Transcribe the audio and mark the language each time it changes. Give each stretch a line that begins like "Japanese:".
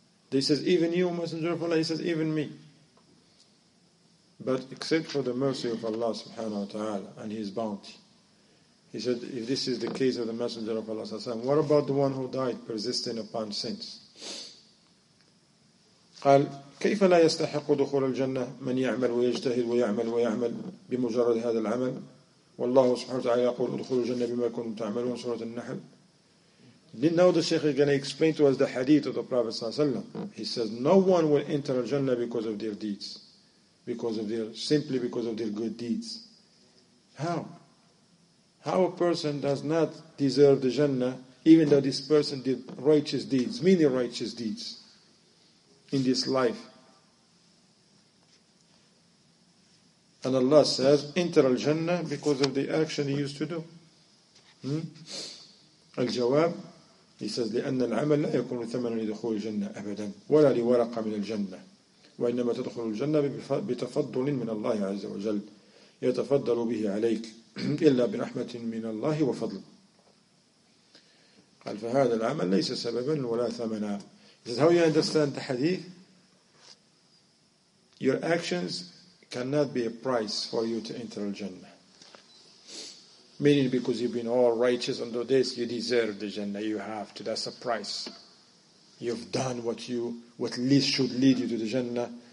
English: They says, even you, Messenger of Allah, he says, even me. But except for the mercy of Allah subhanahu wa ta'ala and his bounty. He said, if this is the case of the Messenger of Allah, what about the one who died persisting upon sins?
Arabic: قال كيف لا يستحق دخول الجنة من يعمل ويجتهد ويعمل ويعمل بمجرد هذا العمل؟ والله سبحانه وتعالى يقول ادخلوا الجنة بما كنتم تعملون سورة النحل.
English: Then now the Shaykh is going to explain to us the hadith of the Prophet ﷺ. He says, no one will enter al-Jannah because of their deeds. Simply because of their good deeds. How? How a person does not deserve the Jannah even though this person did righteous deeds, many righteous deeds in this life? And Allah says, enter al-Jannah because of the action he used to do.
Arabic: Al-Jawab,
English: he says,
Arabic: لِأَنَّ الْعَمَلْ لَا يَكُنُ ثَمَنًا لِدُخُولِ الْجَنَّةِ أَبَدًا وَلَا لِوَرَقَ مِنَ الْجَنَّةِ وإنما تدخل الجنة بتفضل من الله عز وجل يتفضل به عليك إلا برحمة من الله وفضل. قال فهذا العمل ليس سببا ولا ثمنا.
English: This is how you understand the hadith. Your actions cannot be a price for you to enter al-Jannah. meaning because you've been all righteous under this, you deserve the Jannah, you have to, that's a price. You've done what you, what least should lead you to the Jannah.